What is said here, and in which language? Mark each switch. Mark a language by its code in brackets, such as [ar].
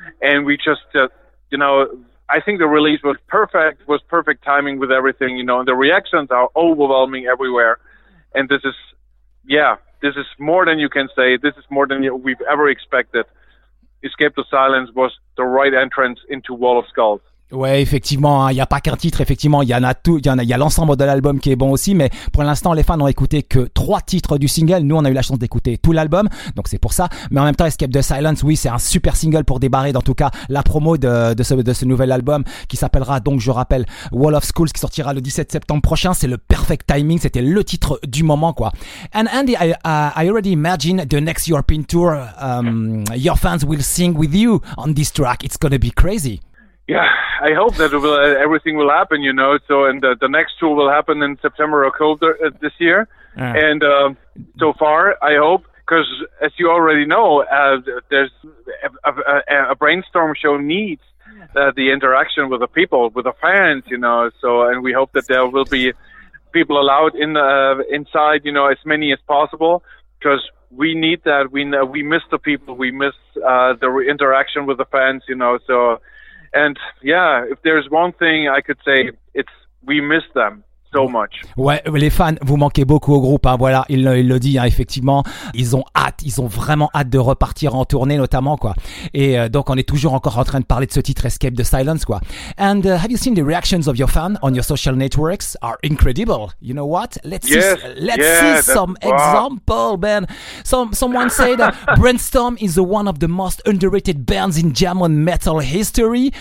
[en] And we just, you know, I think the release was perfect timing with everything, you know, and the reactions are overwhelming everywhere. And this is, yeah, this is more than you can say. This is more than we've ever expected. Escape the Silence was the right entrance into Wall of Skulls. [fr] Ouais, effectivement, il y a pas qu'un titre, effectivement, il y a l'ensemble de l'album qui est bon aussi, mais pour l'instant, les fans n'ont écouté que trois titres du single. Nous, on a eu la chance d'écouter tout l'album, donc c'est pour ça. Mais en même temps, Escape the Silence, oui, c'est un super single pour débarrer, en tout cas, la promo de ce nouvel album qui s'appellera, donc, je rappelle, Wall of Skulls, qui sortira le 17 septembre prochain. C'est le [en] perfect timing, [fr] c'était le titre du moment, quoi. [en] And Andy, I already imagine the next European tour, your fans will sing with you on this track. It's gonna be crazy. Yeah, I hope that everything will happen, you know. So, and the next tour will happen in September or October this year. And so far, I hope, because as you already know, there's a Brainstorm show needs the interaction with the people, with the fans, you know. So, and we hope that there will be people allowed in inside, you know, as many as possible, because we need that. We miss the people. We miss the interaction with the fans, you know. So. And yeah, if there's one thing I could say, it's we miss them. So much. [fr] Ouais, les fans, vous manquez beaucoup au groupe, hein, voilà, il le dit, hein, effectivement, ils ont hâte, ils ont vraiment hâte de repartir en tournée, notamment, quoi. Et donc, on est toujours encore en train de parler de ce titre Escape the Silence, quoi. [en] And have you seen the reactions of your fans on your social networks? Are incredible. You know what? Let's see some examples, Ben. Someone said that Brainstorm is one of the most underrated bands in German metal history.